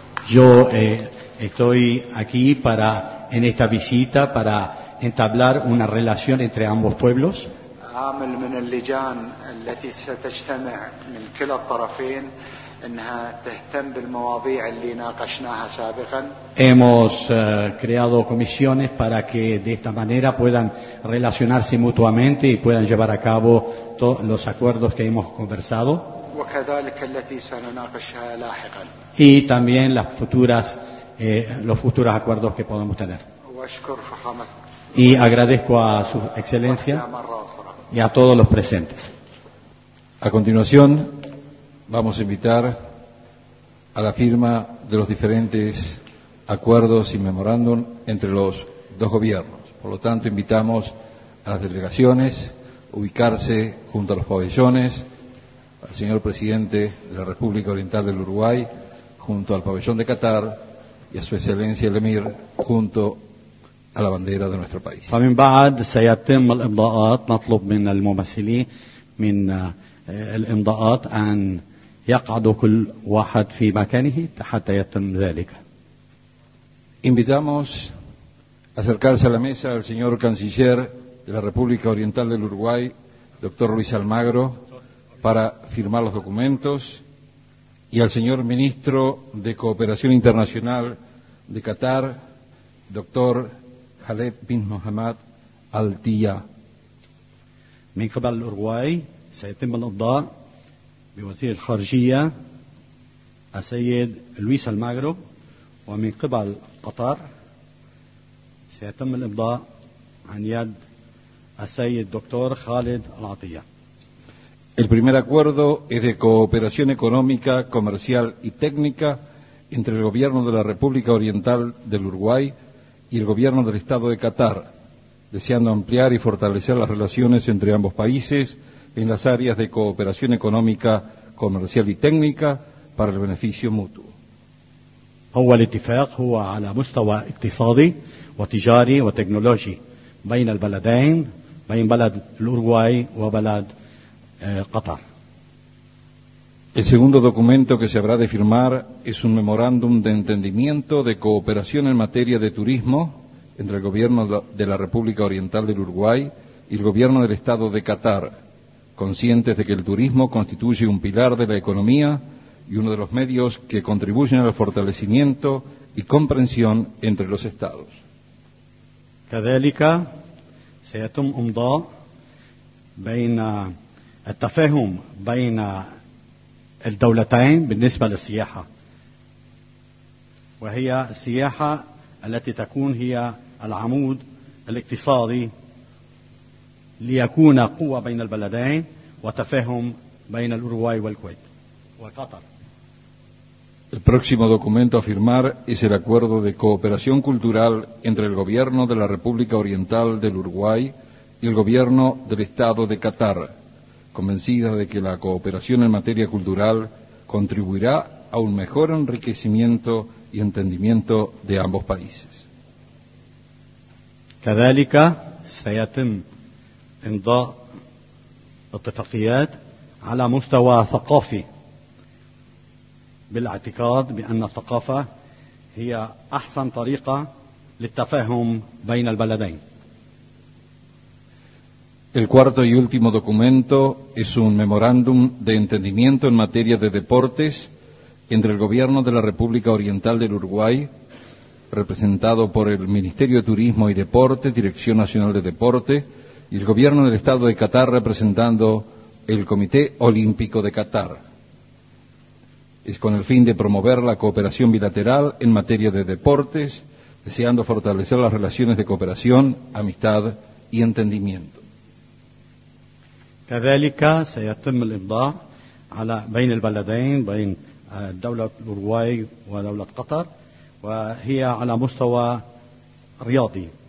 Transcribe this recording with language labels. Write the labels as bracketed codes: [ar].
[es] yo estoy aquí para en esta visita para entablar una relación entre ambos pueblos [ar] عامل من اللجان التي ستجتمع من كلا الطرفين انها تهتم بالمواضيع اللي ناقشناها سابقا [es] hemos creado comisiones para que de esta manera puedan relacionarse mutuamente y puedan llevar a cabo todos los acuerdos que hemos conversado [ar] وكذلك التي سنناقشها لاحقا [es] y también las futuras los futuros acuerdos que podamos tener [ar] واشكر فخامة [es] y agradezco a su excelencia y a todos los presentes. A continuación, vamos a invitar a la firma de los diferentes acuerdos y memorándum entre los dos gobiernos. Por lo tanto, invitamos a las delegaciones a ubicarse junto a los pabellones, al señor presidente de la República Oriental del Uruguay, junto al pabellón de Qatar, y a su excelencia el emir, junto [ar] على البندرة [es] de nuestro país. [ar] فمن بعد سيتم الإمضاءات نطلب من الممثلين من الإمضاءات أن يقعدوا كل واحد في مكانه حتى يتم ذلك. [es] Invitamos a acercarse a la mesa al señor canciller de la República Oriental del Uruguay, doctor Luis Almagro, para firmar los documentos y al señor ministro de Cooperación Internacional de Qatar, doctor Khaled bin Mohammed Al-Tiya. [ar] من قبل الأوروغواي سيتم الإمضاء بوزير الخارجية السيد لويس الماغرو ومن قبل قطر سيتم الإمضاء عن يد السيد دكتور خالد العطية. [es] El primer acuerdo es de cooperación económica, comercial y técnica entre el Gobierno de la República Oriental del Uruguay y el Gobierno del Estado de Qatar, deseando ampliar y fortalecer las relaciones entre ambos países en las áreas de cooperación económica, comercial y técnica para el beneficio mutuo. [ar] أول اتفاق هو على مستوى اقتصادي وتجاري وتكنولوجي بين البلدين بين بلد الأوروغواي وبلد قطر. [es] El segundo documento que se habrá de firmar es un memorándum de entendimiento de cooperación en materia de turismo entre el gobierno de la República Oriental del Uruguay y el gobierno del Estado de Qatar, conscientes de que el turismo constituye un pilar de la economía y uno de los medios que contribuyen al fortalecimiento y comprensión entre los estados. [ar] كذلك سيتم امضاء بين التفاهم بين الدولتين بالنسبة للسياحة وهي السياحة التي تكون هي العمود الاقتصادي ليكون قوة بين البلدين وتفاهم بين الأوروغواي والكويت وقطر. [es] El próximo documento a firmar es el acuerdo de cooperación cultural entre el Gobierno de la República Oriental del Uruguay y el Gobierno del Estado de Qatar, convencida de que la cooperación en materia cultural contribuirá a un mejor enriquecimiento y entendimiento de ambos países. [ar] كذلك سيتم إمضاء اتفاقيات على مستوى ثقافي بالاعتقاد بأن الثقافة هي أحسن طريقة للتفاهم بين البلدين. [es] El cuarto y último documento es un memorándum de entendimiento en materia de deportes entre el Gobierno de la República Oriental del Uruguay, representado por el Ministerio de Turismo y Deporte, Dirección Nacional de Deporte, y el Gobierno del Estado de Qatar, representando el Comité Olímpico de Qatar. Es con el fin de promover la cooperación bilateral en materia de deportes, deseando fortalecer las relaciones de cooperación, amistad y entendimiento. [ar] كذلك سيتم الإمضاء على بين البلدين بين دولة الأوروغواي ودولة قطر وهي على مستوى رياضي.